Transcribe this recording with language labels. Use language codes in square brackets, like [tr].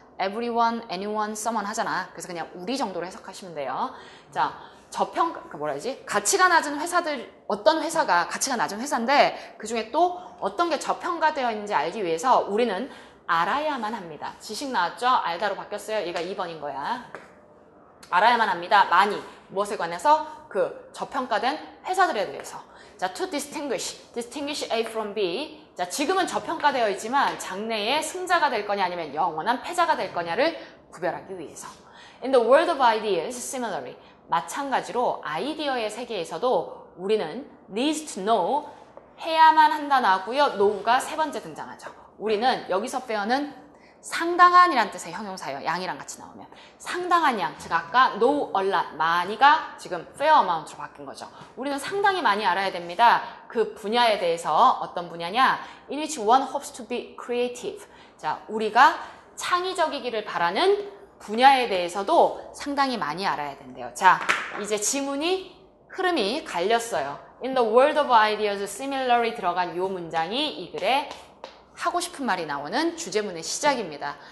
[en] Everyone, anyone, someone [ko] 하잖아. 그래서 그냥 우리 정도로 해석하시면 돼요. 자, 가치가 낮은 회사들 어떤 회사가 가치가 낮은 회사인데 그 중에 또 어떤 게 저평가되어 있는지 알기 위해서 우리는 알아야만 합니다. 지식 나왔죠? 알다로 바뀌었어요. 얘가 2번인 거야. 알아야만 합니다. 많이. 무엇에 관해서? 그 저평가된 회사들에 대해서. [en] 자, to distinguish. Distinguish A from B. [ko] 자, 지금은 저평가되어 있지만 장래에 승자가 될 거냐 아니면 영원한 패자가 될 거냐를 구별하기 위해서. [en] In the world of ideas, similarly. [ko] 마찬가지로 아이디어의 세계에서도 우리는 [en] needs to know, [ko] 해야만 한다 나왔고요. know가 세 번째 등장하죠. 우리는 여기서 배우는 상당한 이란 뜻의 형용사예요. 양이랑 같이 나오면. 상당한 양, 즉 아까 [en] know a lot, [ko] 많이가 지금 [en] fair amount [ko] 으로 바뀐 거죠. 우리는 상당히 많이 알아야 됩니다. 그 분야에 대해서 어떤 분야냐? [en] In which one hopes to be creative. [ko] 자, 우리가 창의적이기를 바라는 분야에 대해서도 상당히 많이 알아야 된대요. 자, 이제 지문이 흐름이 갈렸어요. [en] In the world of ideas, similarly [ko] 들어간 이 문장이 이 글에 하고 싶은 말이 나오는 주제문의 시작입니다.